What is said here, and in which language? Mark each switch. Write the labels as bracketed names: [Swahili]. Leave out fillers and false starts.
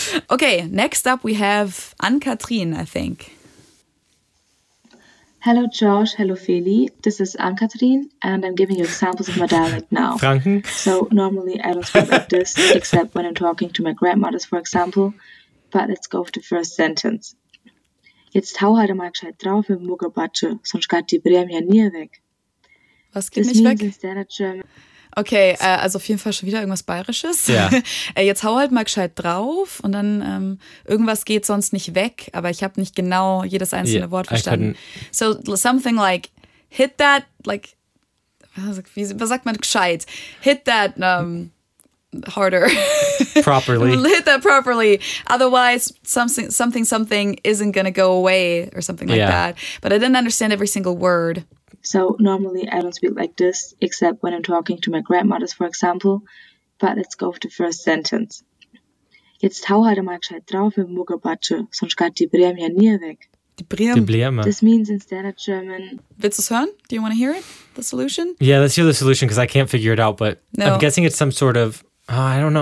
[English] Okay, next up we have Anne-Kathrin, I think. Hello, Josh. Hello, Feli. This is Anne-Catherine, and I'm giving you examples of my dialect now. Franken? So normally I don't speak like this, except when I'm talking to my grandmothers, for example. But let's go with the first sentence. [German] Jetzt hau halt mal gescheit drauf im Muggelbatsche, sonst geht die Prämie nie weg. Was geht nicht weg? Okay, also auf jeden Fall schon wieder irgendwas Bayerisches. Ja. Jetzt hau halt mal gescheit drauf und dann irgendwas geht sonst nicht weg, aber ich habe nicht genau jedes einzelne Wort verstanden. [English] So something like, hit that, like, [German] was sagt man gescheit? [English] Hit that harder. Properly. Hit that properly. Otherwise, something isn't going to go away or something like that. But I didn't understand every single word. So normally I don't speak like this, except when I'm talking to my grandmothers, for example. But let's go with the first sentence. [German] Jetzt hau halt mal gescheit drauf im Muggelbatsche, sonst geht die Bremie ja nie weg. Die Bremie. [English] This means in standard German. [German] Willst du es hören? [English] Do you want to hear it? The solution? Yeah, let's hear the solution because I can't figure it out. But no. I'm guessing it's some sort of, I don't know.